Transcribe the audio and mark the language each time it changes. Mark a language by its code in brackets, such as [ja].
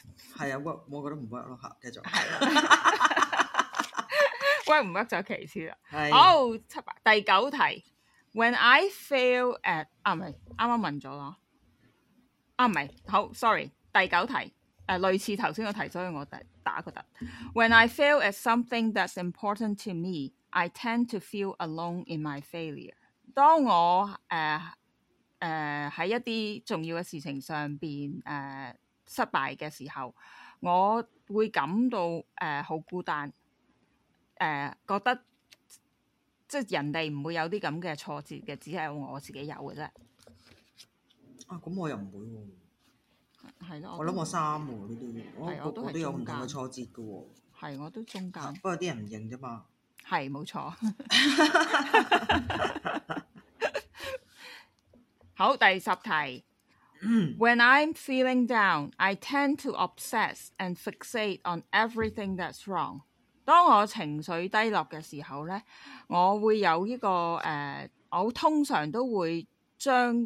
[yue] 系啊 ，work 我觉得唔 work 咯吓，继续。 work 唔 work 就其次啦。系。好，第九题 ， [en] When I fail at [yue] 啊唔系，啱啱问咗咯。啊唔系，好 ，sorry， 第九题。類似頭先個題，所以我打個突。 [en] When I fail at something that's important to me, I tend to feel alone in my failure。 [yue] 當我喺一啲重要嘅事情上邊失敗嘅時候，我會感到好孤單，覺得即係人哋唔會有啲咁嘅挫折嘅，只係我自己有嘅啫。啊，咁我又唔會喎。系我谂我三喎呢啲，我都有唔同嘅挫折嘅喎。系，我都中间。不过啲人唔认啫嘛。系，冇错。好，第十题。 [en] When I'm feeling down, I tend to obsess and fixate on everything that's wrong。 [yue] 当我情绪低落嘅时候咧，我会有呢、這个我通常都会将一